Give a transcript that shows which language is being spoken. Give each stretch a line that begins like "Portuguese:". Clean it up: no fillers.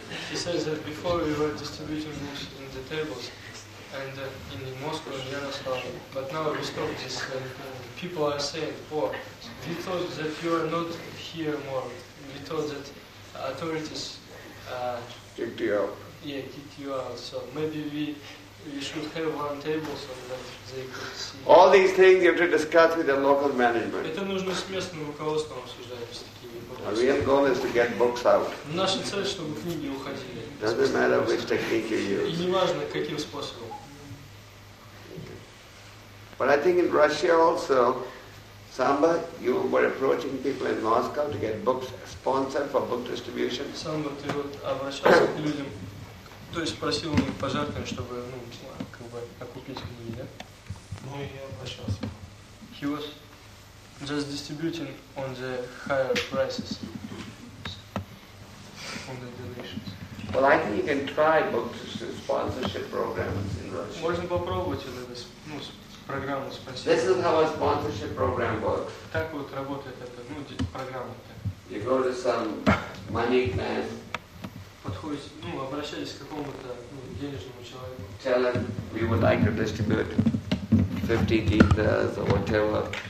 English: He says that before we were distributing books in the tables and in Moscow and Yaroslavl, but now we stopped this and people are saying, oh, we thought that you are not here more. We thought that authorities kicked you out. Yeah, kicked you out. So maybe we should have one table so that they could see. All these things you have to discuss with the local management.
Russian: Это нужно с местным руководством обсуждать.
English: Our real goal is to get books out.
Russian: Наша цель, чтобы книги уходили.
English: Doesn't matter which technique you use.
Russian: И неважно каким способом.
English: But I think in Russia also, Samba, you were approaching people in Moscow to get books sponsored for book distribution.
Russian: Самба, ты вот обращался к людям, то есть просил у них пожертвований, чтобы ну как бы окупить книги, да? Ну и я обращался.
English: He was just distributing on the higher prices, on the donations. Well, I think you can try book sponsorship programs in Russia.
Russian: Можно попробовать вот эту ну программу спонсирования.
English: This is how a sponsorship program works.
Russian: Так вот работает эта ну программа.
English: You go to some money man.
Russian: Подходите, ну обращайтесь к какому-то ну денежному человеку.
English: Tell him we would like to distribute 50 gitas or whatever.